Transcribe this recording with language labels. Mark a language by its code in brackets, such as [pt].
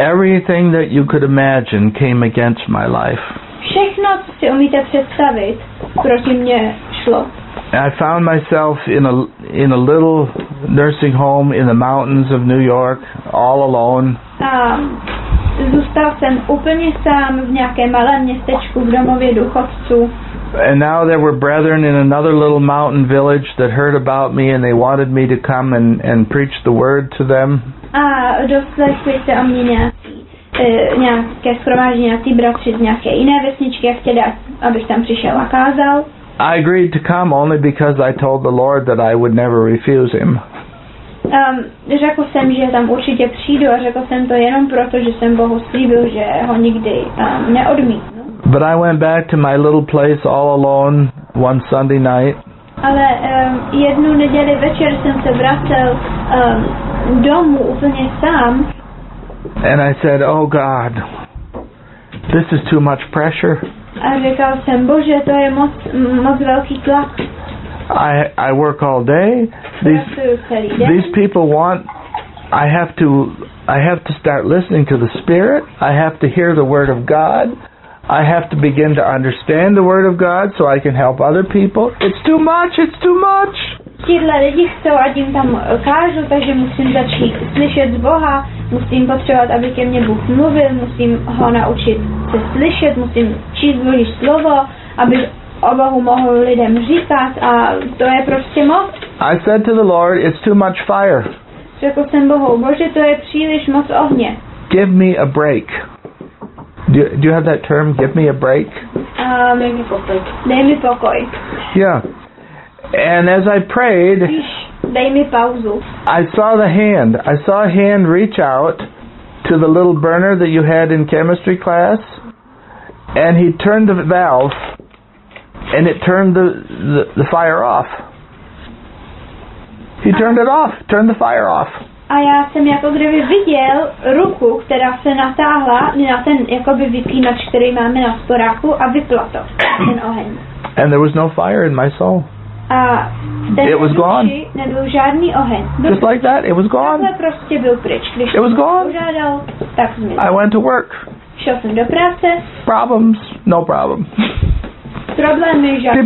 [en] Everything that you could imagine came against my life. [cs] Všechno, co si umíte představit, proti mně šlo. [en] I found myself in a little nursing home in the mountains of New York, all alone. [cs] zůstal jsem úplně sám v nějakém malém městečku v domově duchovců. [en] And now there were brethren in another little mountain village that heard about me and they wanted me to come and preach the word to them. [cs] A doslechli se o mě nějaké shromáždění, nějaký bratři z nějaké jiné vesničky a chtěli, abych tam přišel a kázal. [en] I agreed to come only because I told the Lord that I would never refuse him. [cs] Řekl jsem, že tam určitě přijdu a řekl jsem to jenom proto, že jsem Bohu slíbil, že ho nikdy neodmítnu. [en] But I went back to my little place all alone one Sunday night. [cs] Ale jednu neděli večer jsem se vracel domů úplně sám. [en] And I said, oh God, this is too much pressure. [cs] A říkal jsem, Bože, to je moc, moc velký tlak. [en] I work all day. These people want, I have to start listening to the Spirit. I have to hear the Word of God. I have to begin to understand the Word of God so I can help other people. It's too much. [cs] Tyhle lidi chcou, ať jim tam kážu, takže musím začít slyšet z Boha, musím potřebovat, aby ke mně Bůh mluvil, musím ho naučit se slyšet, musím číst Boží slovo, aby o Bohu mohl lidem říkat a to je prostě moc. [en] I said to the Lord, it's too much fire. [cs] Řekl jsem Bohu, Bože, to je příliš moc ohně. [en] Give me a break. Do you have that term, give me a break? [cs] Dej mi pokoj. [en] Yeah. And as I prayed, [cs] dej mi pauzu. [en] I saw a hand reach out to the little burner that you had in chemistry class, and he turned the valve, and it turned the fire off. He turned it off, turned the fire off. [cs] A já jsem jako kdyby viděl ruku, která se natáhla na ten jakoby vypínač, který máme na sporáku a vypla to, ten oheň. [en] And there was no fire in my soul. [cs] A [en] it was gone. [cs] Nebyl žádný oheň. [en] Just like that, it was gone. [cs] Takhle prostě byl pryč. Když [en] it was gone. [cs] Požádal, tak zmizel. [en] I went to work. [cs] Šel jsem do práce. [en] Problems, no problem. [cs] Problémy žádný.